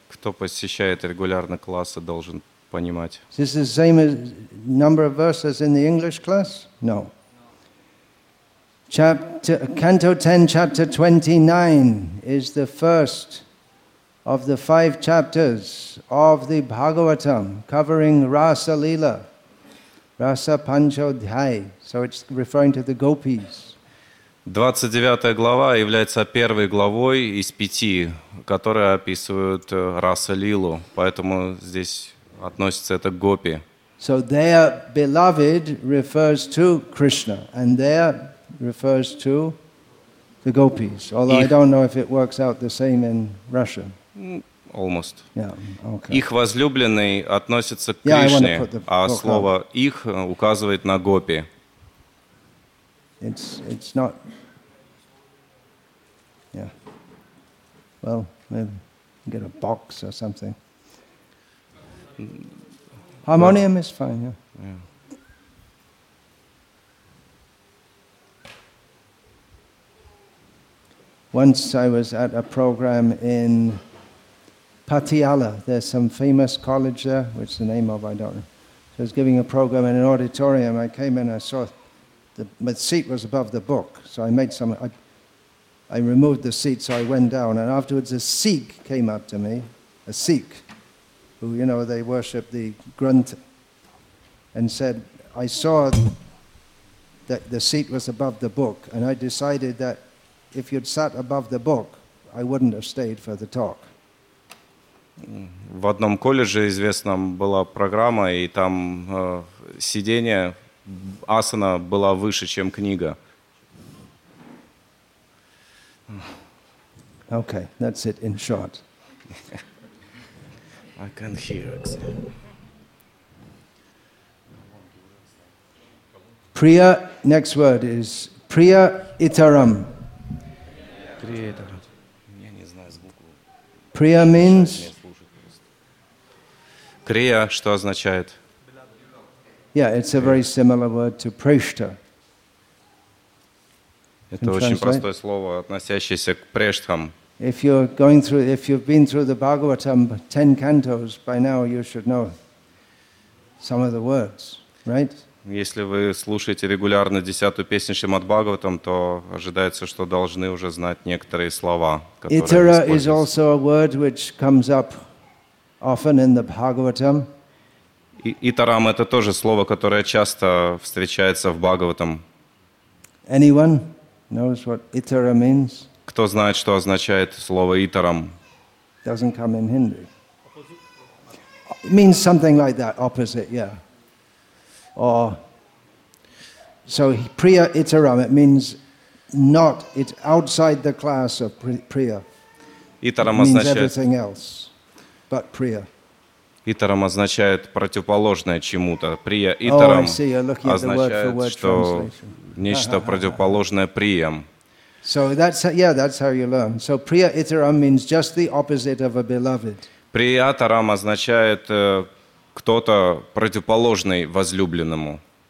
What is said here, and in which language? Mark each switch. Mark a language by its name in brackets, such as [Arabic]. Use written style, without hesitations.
[Russian] Кто посещает регулярно классы, должен понимать. [English] This is the same as number of verses in the English class? No. Canto 10, chapter 29 is the first of the five chapters of the Bhagavatam covering Rasa Leela, Rasa Panchodhyay. So it's referring to the gopis. [Russian] 29 глава является первой главой из пяти, которые описывают Rasa Leelu. Поэтому здесь относится это к гопи. [English] So their beloved refers to Krishna, and their refers to the gopis. Although I don't know if it works out the same in Russian. Almost. Yeah, okay. [Russian] Их возлюбленный относится к Кришне, а слово «их» указывает на гопи. [English] It's not... Yeah. Well, maybe get a box or something. Harmonium is fine, yeah. Yeah. Once I was at a program in Patiala, there's some famous college there, which the name of, I don't know. So I was giving a program in an auditorium. I came in, I saw my seat was above the book. So I made some, I removed the seat, so I went down. And afterwards, a Sikh came up to me, a Sikh, who, you know, they worship the Granth, and said, I saw that the seat was above the book. And I decided that if you'd sat above the book, I wouldn't have stayed for the talk. [Russian] В одном колледже известном была программа, и там сидение асана было выше, чем книга. [English] Okay, that's it in short. I can hear it. Priya, next word is Priya Itaram. Priya Itaram. [Russian] Я не знаю звуку. [English] Priya means... [Russian] Крия, что означает? [English] Yeah, it's a very similar word to preshta. [Russian] Это очень простое слово, относящееся к прештхам. [English] If you're going through, if you've been through the Bhagavatam 10 cantos, by now you should know some of the words, right? [Russian] Если вы слушаете регулярно 10-ю песню Шримад-Бхагаватам, то ожидается, что должны уже знать некоторые слова, которые [English] Itara is also a word which comes up often in the Bhagavatam. [Russian] Итарам — это тоже слово, которое часто встречается в Бхагаватам. [English] Anyone knows what itara means? [Russian] Кто знает, что означает слово итарам? [English] Doesn't come in Hindi. It means something like that, opposite, yeah. Or so priya itaram, it means not, it's outside the class of priya. [Russian] Итарам [English] it means [Russian] означает... [English] everything else, but priya. [Russian] Итарам означает противоположное чему-то. Прия итарам означает, что нечто противоположное прием. [English] So that's how, yeah, that's how you learn. So priya itaram means just the opposite of a beloved. [Russian] Прия итарам означает кто-то противоположный возлюбленному.